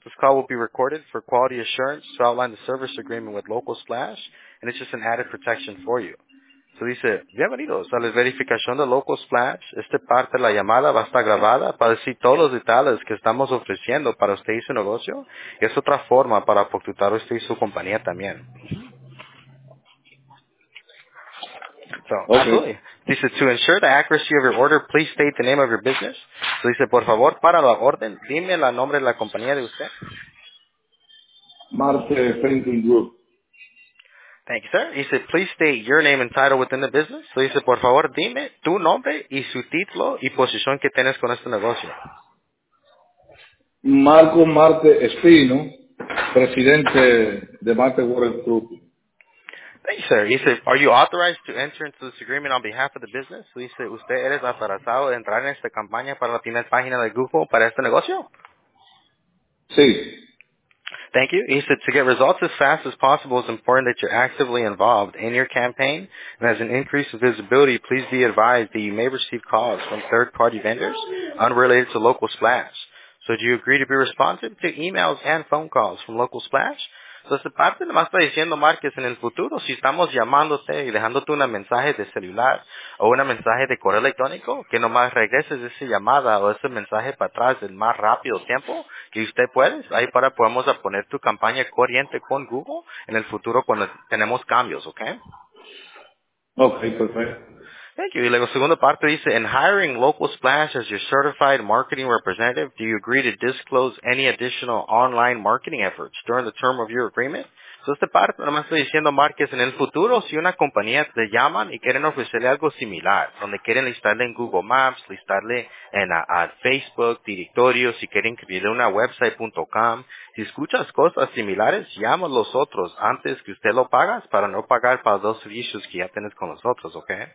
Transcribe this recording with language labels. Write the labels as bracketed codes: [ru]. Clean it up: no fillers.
[en] This call will be recorded for quality assurance to outline the service agreement with Local Splash, and it's just an added protection for you. [es] So dice, bienvenidos a la verificación de Local Splash. Esta parte de la llamada va a estar grabada para decir todos los detalles que estamos ofreciendo para usted y su negocio. Y es otra forma para aportar usted y su compañía también. [en] So, okay. Dice, to ensure the accuracy of your order, please state the name of your business. [es] So, dice, por favor, para la orden, dime el nombre de la compañía de usted. Marte Printing Group. [en] Thank you, sir. Dice, please state your name and title within the business. [es] So, dice, por favor, dime tu nombre y su título y posición que tienes con este negocio. Marco Marte Espino, presidente de Marte World Group. [en] Thank you, sir. He said, are you authorized to enter into this agreement on behalf of the business? [es] So he said, ¿usted eres autorizado a entrar en esta campaña para la primera página de Google para este negocio? Sí. [en] Thank you. He said, to get results as fast as possible, it's important that you're actively involved in your campaign. And as an increase in visibility, please be advised that you may receive calls from third-party vendors unrelated to Local Splash. So do you agree to be responsive to emails and phone calls from Local Splash? [es] Entonces, parte nomás está diciendo, Márquez, en el futuro, si estamos llamándote y dejándote un mensaje de celular o un mensaje de correo electrónico, que nomás regreses esa llamada o ese mensaje para atrás el más rápido tiempo que usted puede, ahí para podemos poner tu campaña corriente con Google en el futuro cuando tenemos cambios, ¿ok? Ok, perfecto. [en] Thank you. [es] Y luego, segunda parte dice, [en] in hiring Local Splash as your certified marketing representative, do you agree to disclose any additional online marketing efforts during the term of your agreement? [es] So, esta parte, nomás estoy diciendo, Márquez, en el futuro, si una compañía te llaman y quieren ofrecerle algo similar, donde quieren listarle en Google Maps, listarle en a Facebook, directorio, si quieren escribirle una website.com, si escuchas cosas similares, llama a los otros antes que usted lo pagas para no pagar para dos servicios que ya tienes con los otros, ¿ok?